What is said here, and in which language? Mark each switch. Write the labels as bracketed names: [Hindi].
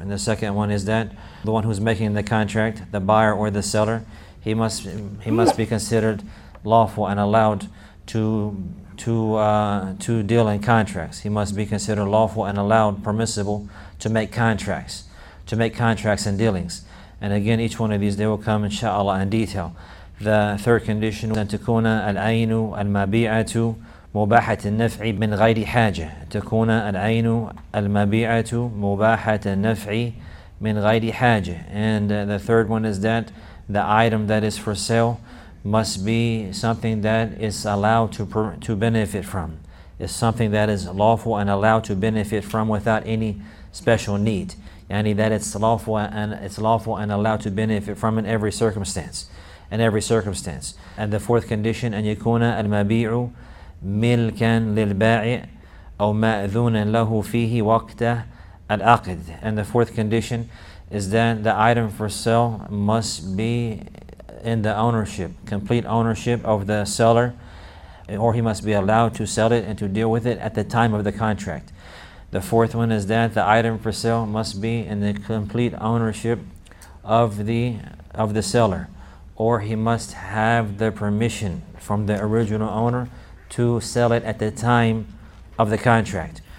[English] And the second one is that the one who's making the contract, the buyer or the seller, he must be considered lawful and allowed to deal in contracts. He must be considered lawful and allowed, permissible, to make contracts and dealings. And again, each one of these, they will come inshallah in detail. The third condition, [Arabic] أن تكون العين المبيعة مباحة النفع من غير حاجة. تكون العين المبيعة مباحة النفع من غير حاجة. [English] And the third one is that the item that is for sale must be something that is allowed to benefit from. It's something that is lawful and allowed to benefit from without any special need. Yani that it's lawful and allowed to benefit from in every circumstance. And the fourth condition, [Arabic] أن يكون المبيع ملكا للبائع أو مأذونا له فيه وقت العقد. [English] And the fourth condition is that the item for sale must be in the ownership, complete ownership of the seller, or he must be allowed to sell it and to deal with it at the time of the contract. The fourth one is that the item for sale must be in the complete ownership of the seller, or he must have the permission from the original owner to sell it at the time of the contract.